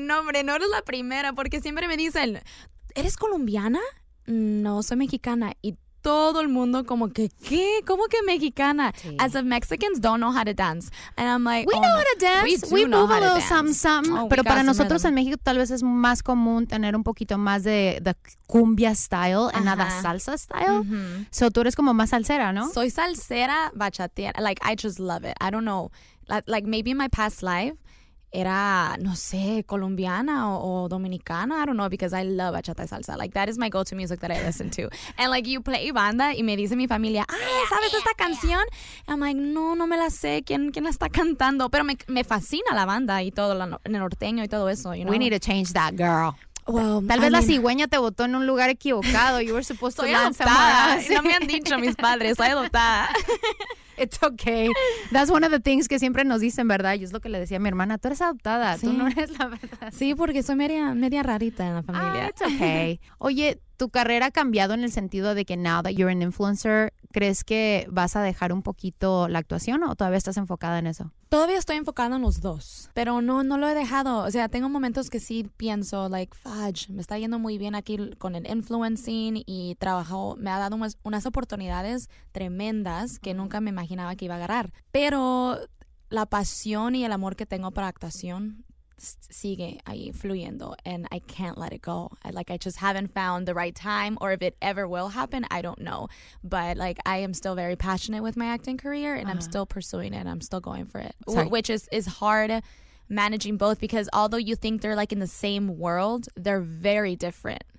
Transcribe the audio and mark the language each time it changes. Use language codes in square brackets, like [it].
[es] No, hombre, no eres la primera, porque siempre me dicen, ¿eres colombiana? No, soy mexicana. Y todo el mundo como que, ¿qué? ¿Cómo que mexicana? Sí. [en] As if Mexicans don't know how to dance. And I'm like, we know how to dance. We move a little something. [es] Oh, pero para nosotros en México tal vez es más común tener un poquito más de [en] the cumbia style and not a salsa style. [es] Mm-hmm. So tú eres como más salsera, ¿no? Soy salsera, bachatera. [en] Like, I just love it. I don't know. Like, maybe in my past life, [es] era, no sé, colombiana o dominicana. [en] I don't know, because I love bachata y salsa. Like, that is my go-to music that I listen to. And, like, you play banda [es] y me dice mi familia, ¡ay, sabes esta canción! [en] And I'm like, [es] no, no me la sé. ¿Quién la está cantando? Pero me fascina la banda y todo, el norteño y todo eso, [en] you know? We need to change that, girl. Well, [es] tal vez la cigüeña te botó en un lugar equivocado. [en] You were supposed to [es] dance. Soy adoptada. ¿Sí? No me han dicho mis padres. Soy adoptada. [en] It's okay. That's one of the things [es] que siempre nos dicen, ¿verdad? Y es lo que le decía a mi hermana. Tú eres adoptada. Sí. Tú no eres la verdad. Sí, porque soy media rarita en la familia. [en] It's okay. [es] Oye, ¿tu carrera ha cambiado en el sentido de que [en] now that you're an influencer, [es] crees que vas a dejar un poquito la actuación o todavía estás enfocada en eso? Todavía estoy enfocada en los dos, pero no lo he dejado. O sea, tengo momentos que sí pienso, [en] like, fudge, [es] me está yendo muy bien aquí con el influencing y trabajo, me ha dado unas oportunidades tremendas que nunca me imaginaba que iba a agarrar. Pero la pasión y el amor que tengo para actuación sigue ahí fluyendo, [en] and I can't let it go. Like, I just haven't found the right time, or if it ever will happen, I don't know. But, like, I am still very passionate with my acting career, and I'm still pursuing it, and I'm still going for it. Which is hard managing both, because although you think they're, like, in the same world, they're very different.